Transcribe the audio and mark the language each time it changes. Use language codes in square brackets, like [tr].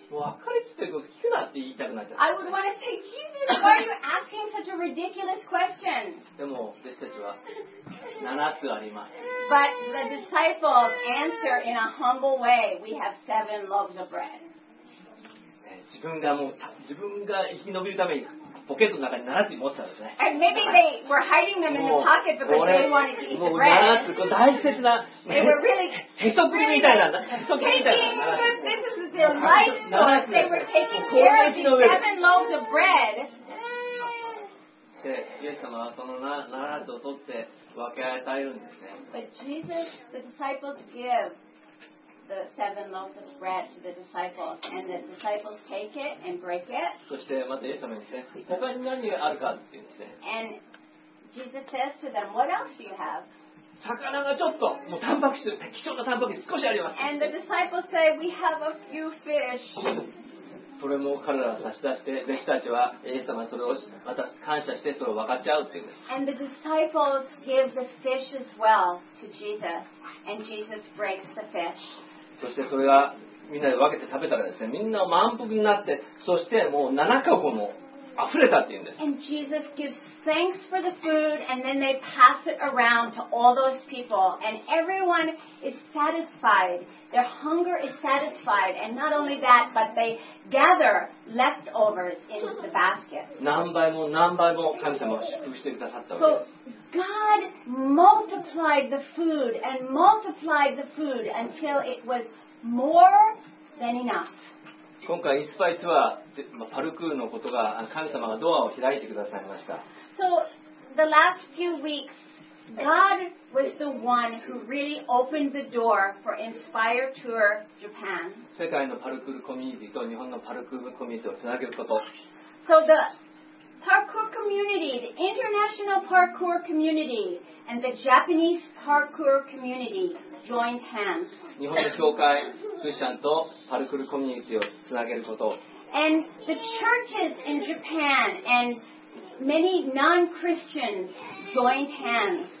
[en] I would want to say, Jesus, why are you asking such a ridiculous question? But the disciples answer in a humble way, we have 7 loaves of bread. [ja] 自分が生き延びるために。ポケットの中に7つ持ってたんですね。 [en] And maybe they were hiding them in the pocket because they wanted to eat the bread. [ja] もう7つ、これ大切な。 [en] They were really [ja] へそくりみたいなんだ。 [en] Taking this is delighted was they were taking care of the 7 loaves of bread. But Jesus, the disciples give the 7 loaves of bread to the disciples, and the disciples take it and break it. And Jesus says to them, what else do you have? And the disciples say, we have a few fish. [ja] それも彼らは差し出して、弟子たちはイエス様にそれをまた感謝してそれを分かち合うっていうんです。 [en] And the disciples give the fish as well to Jesus, and Jesus breaks the fish. [ja] そしてそれがみんなで分けて食べたらですね、みんな満腹になって、そしてもう7カゴも溢れたっていうんです。 [en] And Jesus gives thanks for the food, and then they pass it around to all those people, and everyone is satisfied. Their hunger is satisfied, and not only that, but they gather leftovers in the basket. [ja] 何倍も神様を祝福してくださったわけです。 [en] God multiplied the food and multiplied the food until it was more than enough. [ja] 今回インスパイツはパルクールのことが神様がドアを開いてくださいました。 [en] So the last few weeks, God was the one who really opened the door for Inspire Tour Japan. [ja] 世界のパルクールコミュニティと日本のパルクールコミュニティをつなげること。 [en] So the parkour community, the international parkour community, and the Japanese parkour community joined hands. [ja] 日本の教会、クリスチャンとパルクールコミュニティをつなげること。 [en] And the churches in Japan and many non-Christians joined hands.